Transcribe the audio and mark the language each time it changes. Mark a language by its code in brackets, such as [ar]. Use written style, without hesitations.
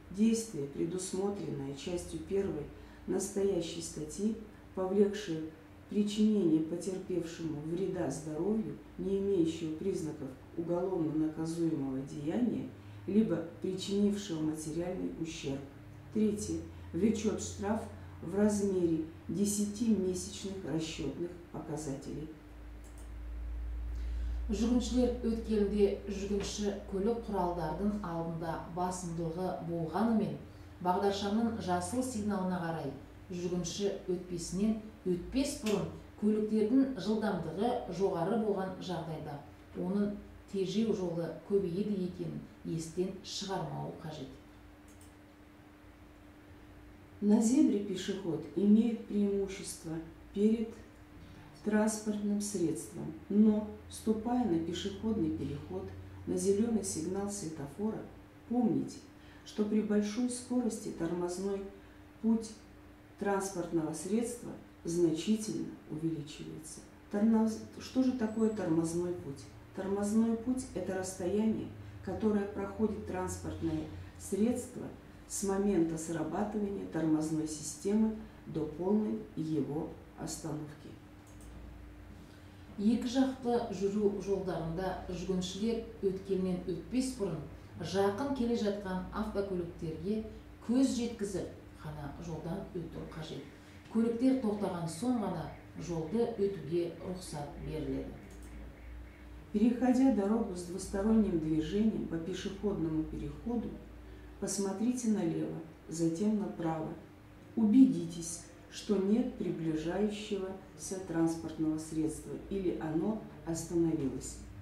[ru] Действие, предусмотренное частью 1 настоящей статьи, повлекшее причинение потерпевшему вреда здоровью, не имеющего признаков уголовно наказуемого деяния, либо причинившего материальный ущерб. Третье. Влечет штраф в размере 10-месячных расчетных показателей. [kk] Жүгіншілер өткелінде жүгінші көлік құралдардың алдында басымдығы болғанымен, бағдаршамның жасыл сигналына қарай жүргінші өтпесінен өтпес бұрын көліктердің жылдамдығы жоғары болған жағдайда оның тежеу жолы көбейеді екен естен шығармауы қажет. [ru] На зебре пешеход имеет преимущество перед транспортным средством, но, ступая на пешеходный переход, на зеленый сигнал светофора, помните, что при большой скорости тормозной путь транспортного средства значительно увеличивается. Что же такое тормозной путь? Тормозной путь – это расстояние, которое проходит транспортное средство с момента срабатывания тормозной системы до полной его остановки. [kk] Екі жақты жүру жолдарында жүргіншілер өткелінен өтпес бұрын жақын келе жатқан автокөліктерге көз жеткізіп қана жолдан өту қажет. Көліктер тоқтаған соң ғана жолды өтуге рұқсат беріледі. [ru] Переходя дорогу с двусторонним движением по пешеходному переходу, посмотрите налево, затем направо. Убедитесь, что нет приближающегося транспортного средства или оно остановилось.